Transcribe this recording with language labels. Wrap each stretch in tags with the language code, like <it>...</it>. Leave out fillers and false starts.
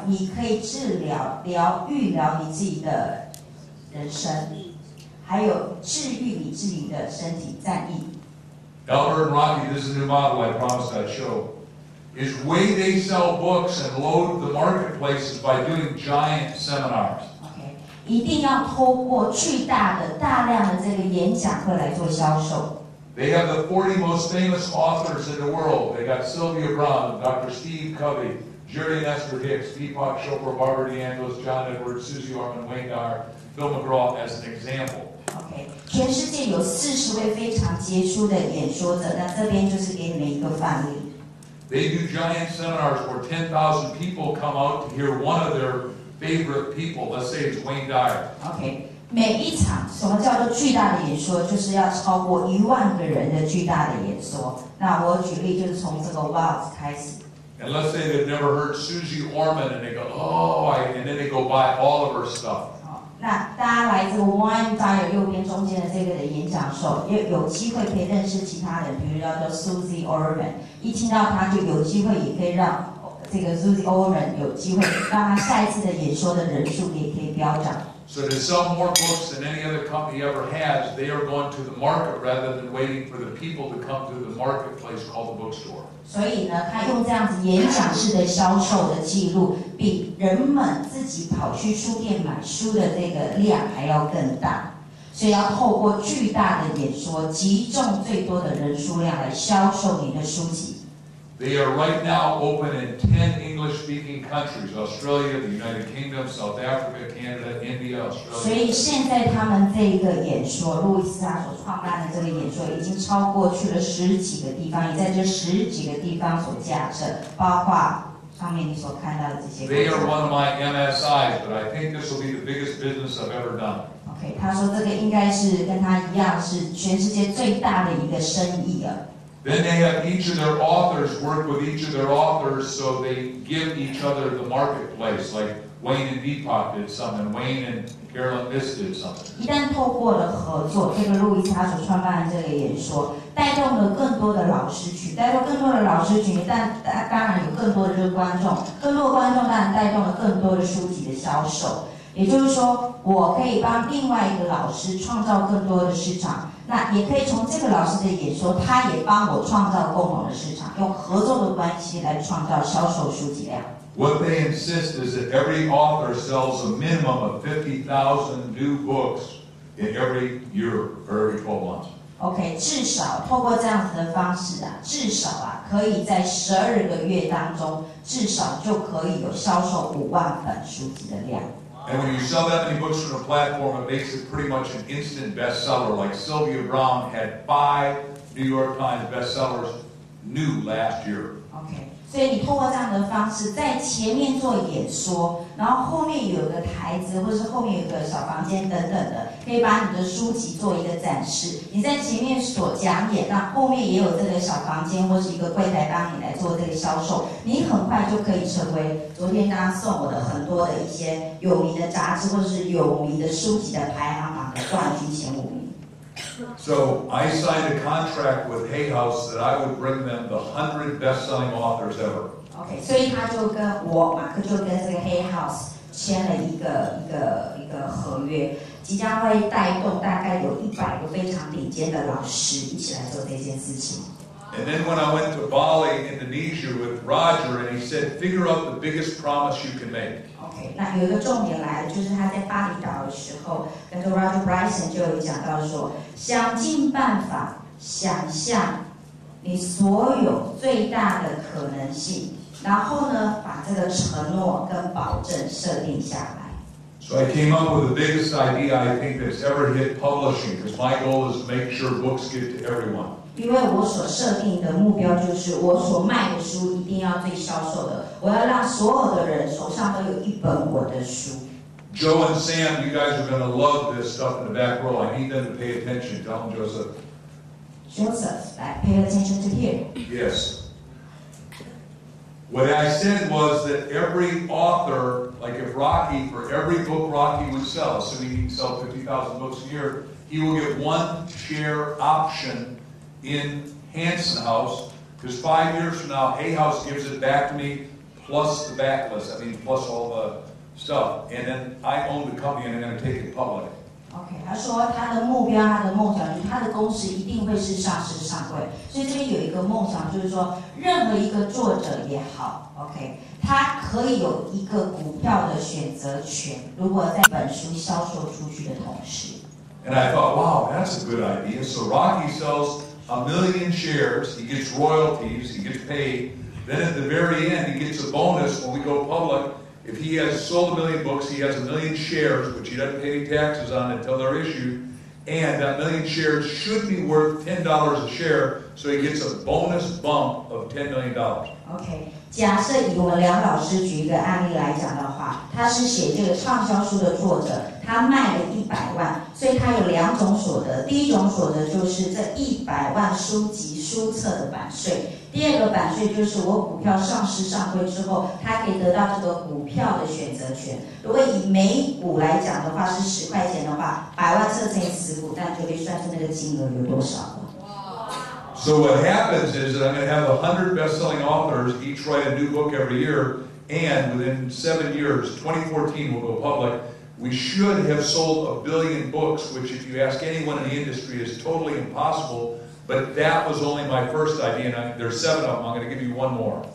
<zh>你可以治疗、疗愈、疗你自己的人生，还有治愈你自己的身体。战役。</zh> <en>Elder and Rocky, this is a new model I promised I'd show. Is way they sell books and load the marketplaces by doing giant seminars.</en> <zh>Okay, 一定要透过巨大的、大量的这个演讲会来做销售。</zh> <en>They have the 40 most famous authors in the world. They got Sylvia Brown, Dr. Steve Covey. Jerry and Esther Hicks, Deepak Chopra, Barbara DeAngelis, John Edwards, Susie Orman, Wayne Dyer, Bill McGraw as an example.</en> <zh>Okay, 全世界有40位非常杰出的演说者，那这边就是给你们一个范例。</zh> <en>They do giant seminars where 10,000 people come out to hear one of their favorite people. Let's say it's Wayne Dyer.</en> <zh>Okay, 每一场什么叫做巨大的演说，就是要超过10,000个人的巨大的演说。那我举例就是从这个 Wild 开始。</zh> <en>And let's say they've never heard Susie Orman, and they go, oh, and then they go buy all of her stuff.</en> <zh>那大家来自 Wayne Dyer 右边中间的这个的演讲手，有机会可以认识其他人，比如叫做 Susie Orman， 一听到他就有机会，也可以让这个 Susie Orman 有机会，让他下一次的演说的人数也可以飙涨。</zh> <en>So to sell more books than any other company ever has, they are going to the market rather than waiting for the people to come through the marketplace called the bookstore.</en> <zh>所以呢，他用这样子演讲式的销售的记录，比人们自己跑去书店买书的这个量还要更大。所以要透过巨大的演说，集中最多的人数量来销售你的书籍。</zh> <en>They are right now open in 10 English-speaking countries, Australia, the United Kingdom, South Africa, Canada, India, Australia.</en> <zh>所以现在他们这个演说，路易斯他所创办的这个演说已经超过去了十几个地方，也在这十几个地方所架设，包括上面你所看到的这些。</zh> <en>They are one of my MSIs, but I think this will be the biggest business I've ever done.</en> <zh>Okay, 他说这个应该是跟他一样是全世界最大的一个生意了。</zh> <en>Then they have each of their authors work with each of their authors, so they give each other the marketplace, like Wayne and Deepak did something, Wayne and Carolyn Miss did something.</en> <zh>一旦透过了合作，这个路易斯他所创办的这个演说，带动了更多的老师群，带动更多的老师群，但当然有更多的这个观众，更多的观众当然带动了更多的书籍的销售。也就是说，我可以帮另外一个老师创造更多的市场。那也可以从这个老师的演说，他也帮我创造共同的市场，用合作的关系来创造销售书籍量。</zh> <en>What they insist is that every author sells a minimum of 50,000 new books in every year or every 12 months.</en> <zh>Okay, 至少透过这样子的方式啊，至少啊，可以在12个月当中，至少就可以有销售50,000本书籍的量。</zh> <en>And when you sell that many books from a platform, it makes it pretty much an instant bestseller. Like Sylvia Brown had 5 New York Times bestsellers new last year.</en> <zh>Okay, 所以你透过这样的方式，在前面做演说，然后后面有个台子，或是后面有个小房间等等的，可以把你的书籍做一个展示。你在前面所讲演，那后面也有这个小房间或是一个柜台帮你来做这个销售，你很快就可以成为昨天刚刚送我的很多的一些有名的杂志或是有名的书籍的排行榜的冠军前五名。</zh> <en>So I signed a contract with Hay House that I would bring them the 100 best-selling authors ever.</en> <zh>OK， 所以他就跟我马克就跟这个黑 house 签了一个合约，即将会带动大概有100个非常顶尖的老师一起来做这件事情。</zh> <en>And then when I went to Bali, Indonesia with Roger, and he said, figure out the biggest promise you can make.</en> <zh>Okay, 那有一个重点来了，就是他在巴厘岛的时候，跟着 Roger Bryson 就有讲到说，想尽办法想象你所有最大的可能性，然后呢，把这个承诺跟保证设定下来。</zh> <en>So I came up with the biggest idea I think that's ever hit publishing, because my goal is to make sure books get to everyone.</en> <zh>因为我所设定的目标就是我所卖的书一定要最销售的，我要让所有的人手上都有一本我的书。</zh> <en>Joe and Sam, you guys are going to love this stuff in the back row. I need them to pay attention. Tell them, Joseph. Joseph,</en> <zh>来</zh> <en>pay attention to here. Yes. What I said was that every author, like if Rocky, for every book Rocky would sell, assuming he can sell 50,000 books a year, he will get one share option. In Hanson House, because 5 years from now, Hay House gives it back to me, plus the backlist, I mean, plus all the stuff. And then I own the company and I'm going to take it public.</en> <zh>Okay, 他说他的目标，他的梦想就是他的公司一定会是上市上柜。所以这边有一个梦想，就是说任何一个作者也好 ，Okay， 他可以有一个股票的选择权。如果在本书销售出去的同时</zh> <en>，And I thought, wow, that's a good idea. So Rocky sells. 1 million shares, he gets royalties, he gets paid. Then at the very end, he gets a bonus when we go public. If he has sold 1 million books, he has 1 million shares, which he doesn't pay any taxes on until they're issued. And that 1 million shares should be worth $10 a share, so he gets a bonus bump of $10 million. Okay.</en> <zh>假设以我们梁老师举一个案例来讲的话，他是写这个畅销书的作者，他卖了100万，所以他有两种所得。第一种所得就是这100万书籍书册的版税，第二个版税就是我股票上市上柜之后，他可以得到这个股票的选择权。如果以每股来讲的话是10块钱的话，百万册乘以10股，那就可以算出那个金额有多少。</zh> <en>So what happens is that I'm going to have 100 best-selling authors each write a new book every year, and within 7 years, 2014 will go public, we should have sold 1 billion books, which if you ask anyone in the industry is totally impossible, but that was only my first idea, and there's 7 of them. I'm going to give you one more.</en>